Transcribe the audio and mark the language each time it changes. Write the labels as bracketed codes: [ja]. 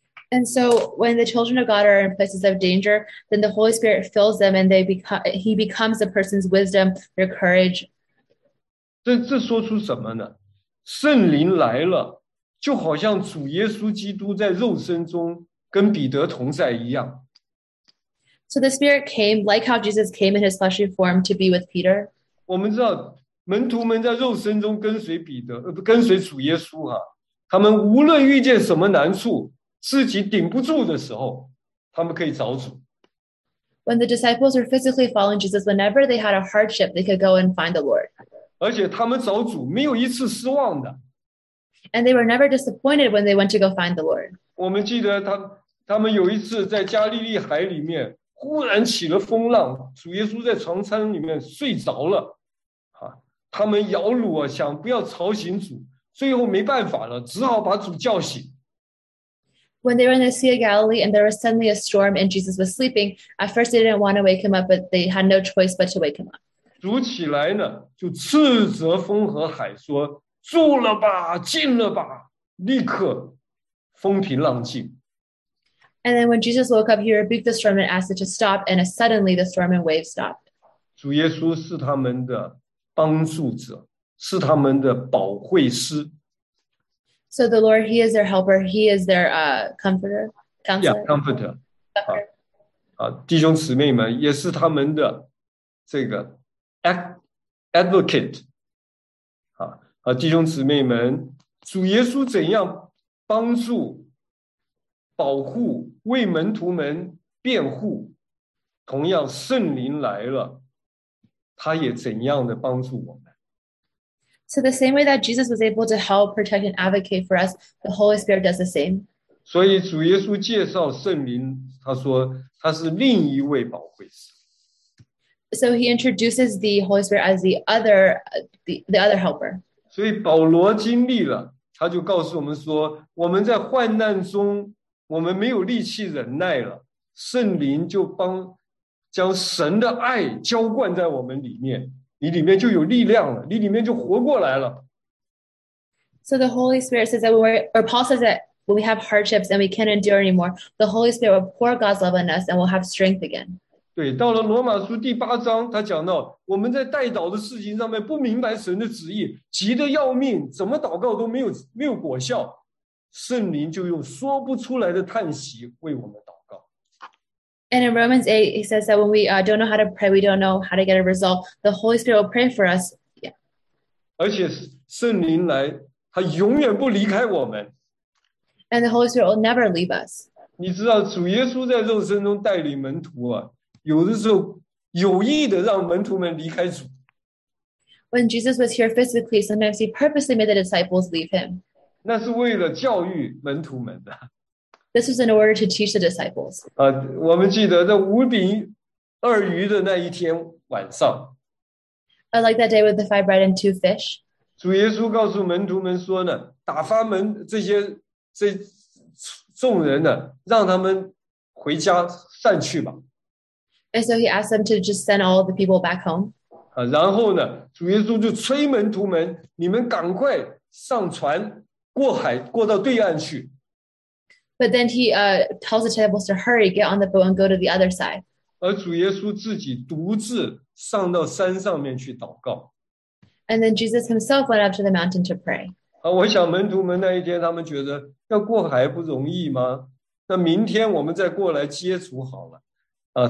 [en] And so when the children of God are in places of danger, then the Holy Spirit fills them and he becomes a person's wisdom, their courage. [zh] 这说出什么呢？圣灵来了，就好像主耶稣基督在肉身中跟彼得同在一样。 [en] So the Spirit came, like how Jesus came in his fleshly form to be with Peter. [zh] 我们知道门徒们在肉身中跟随彼得，跟随主耶稣啊，他们无论遇见什么难处，自己顶不住的时候，他们可以找主。 [en] When the disciples were physically following Jesus, whenever they had a hardship, they could go and find the Lord. [zh] 而且他们找主没有一次失望的。 [en] And they were never disappointed when they went to go find the Lord. [zh] 我们记得他们有一次在加利利海里面忽然起了风浪，主耶稣在船舱里面睡着了，他们摇橹啊，想不要吵醒主，最后没办法了，只好把主叫醒。 [en] When they were in the Sea of Galilee and there was suddenly a storm and Jesus was sleeping, at first they didn't want to wake him up, but they had no choice but to wake him up. [zh] 主起来呢，就斥责风和海说，住了吧，静了吧，立刻风平浪静。 [en] And then when Jesus woke up, he rebuked the storm and asked it to stop, and suddenly the storm and wave stopped. [zh] 主耶稣是他们的帮助者，是他们的保惠师。 [en] So the Lord, He is their helper, He is their comforter, counselor. Yeah, comforter. [zh] 弟兄姊妹们也是他们的这个 advocate. 弟兄姊妹们，主耶稣怎样帮助、保护、为门徒们辩护，同样圣灵来了，他也怎样的帮助我们。 [en] So the same way that Jesus was able to help, protect, and advocate for us, the Holy Spirit does the same. [zh] 所以主耶稣介绍圣灵，他说他是另一位保惠师。 [en] So he introduces the Holy Spirit as the other helper. [zh] 所以保罗经历了，他就告诉我们说，我们在患难中，我们没有力气忍耐了，圣灵就将神的爱浇灌在我们里面，你里面就有力量了，你里面就活过来了。 [en] So the Holy Spirit says that Paul says that when we have hardships and we can't endure anymore, the Holy Spirit will pour God's love on us and we'll have strength again. [zh] 对，到了罗马书第八章，他讲到我们在代祷的事情上面不明白神的旨意，急得要命，怎么祷告都没有果效，圣灵就用说不出来的叹息为我们。 [en] And in Romans 8, he says that when we don't know how to pray, we don't know how to get a result, the Holy Spirit will pray for us. Yeah. [zh] 而且圣灵来，他永远不离开我们。 [en] And the Holy Spirit will never leave us. [zh] 你知道主耶稣在肉身中带领门徒啊，有的时候有意的让门徒们离开主。 [en] When Jesus was here physically, sometimes he purposely made the disciples leave him. [zh] 那是为了教育门徒们的。 [en] This was in order to teach the disciples. [zh] 我们记得那五饼二鱼的那一天晚上。 [en] I like that day with the five bread and two fish. [zh] 主耶稣告诉门徒们说呢，打发门这些这众人呢，让他们回家散去吧。 [en] And so he asked them to just send all the people back home. [zh] 然后呢，主耶稣就催门徒们，你们赶快上船过海，过到对岸去。 [en] But then he tells the disciples to hurry, get on the boat and go to the other side. [zh] 而主耶稣自己独自上到山上面去祷告。 [en] And then Jesus himself went up to the mountain to pray. [zh] 我想门徒们那一天他们觉得要过海不容易吗？那明天我们再过来接主好了。